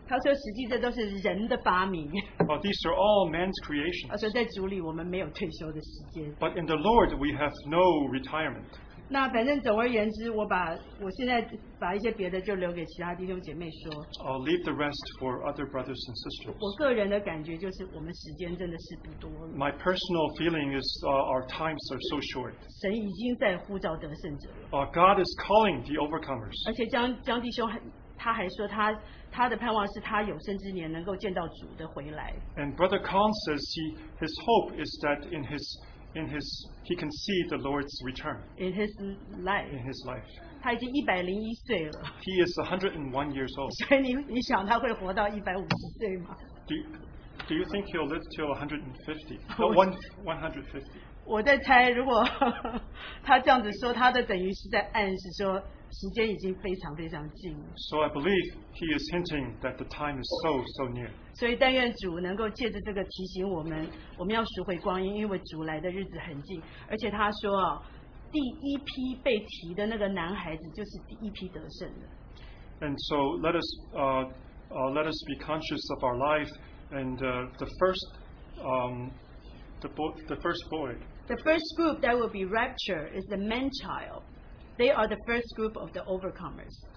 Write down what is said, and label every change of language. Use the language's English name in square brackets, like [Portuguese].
[Chinese] 他说，实际这都是人的发明。 [English] Well, these are all man's creations。 [Chinese] 他说，在主里我们没有退休的时间。 [English] But in the Lord, we have no retirement。 [Chinese] 那反正总而言之，我现在把一些别的就留给其他弟兄姐妹说。 [English] I'll leave the rest for other brothers and sisters. [Chinese] 我个人的感觉就是，我们时间真的是不多了。 [English] My personal feeling is our times are so short. [Chinese] 神已经在呼召得胜者了。 [English] God is calling the overcomers. [Chinese] 而且江弟兄他还说他的盼望是他有生之年能够见到主的回来。 [English] And Brother Khan says his hope is that in his he can see the Lord's return. In his life. [Chinese] 他已经101岁了。 [English] He is 101 years old. [Chinese] 所以你想他会活到150岁吗？ [English] Do you think he'll live till 150? 150. [Chinese] 我在猜如果他这样子说，他的等于是在暗示说。 [English] So I believe he is hinting that the time is so near. [Chinese] 所以但愿主能够借着这个提醒我们，我们要赎回光阴，因为主来的日子很近。而且他说，第一批被提的那个男孩子就是第一批得胜的。 [English] And so let us be conscious of our life and the first boy. The first group that will be raptured is the man child. They are the first group of the overcomers.